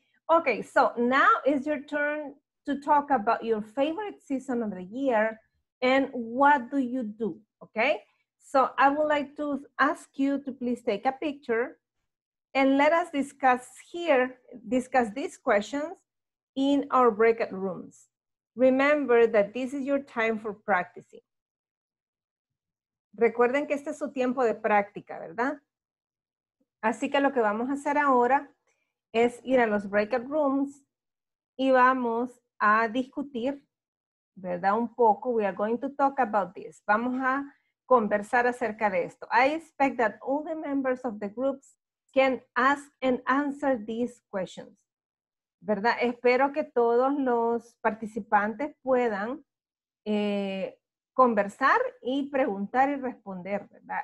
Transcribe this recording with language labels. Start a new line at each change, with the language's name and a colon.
English: Okay, so now is your turn to talk about your favorite season of the year and what do you do, okay? So I would like to ask you to please take a picture and let us discuss these questions in our breakout rooms. Remember that this is your time for practicing.
Spanish: Recuerden que este es su tiempo de práctica, ¿verdad? Así que lo que vamos a hacer ahora es ir a los breakout rooms y vamos a discutir, ¿verdad? Un poco.
English: We are going to talk about this.
Spanish: Vamos a conversar acerca de esto.
English: I expect that all the members of the groups can ask and answer these questions, ¿verdad?
Spanish: Espero que todos los participantes puedan conversar y preguntar y responder, ¿verdad?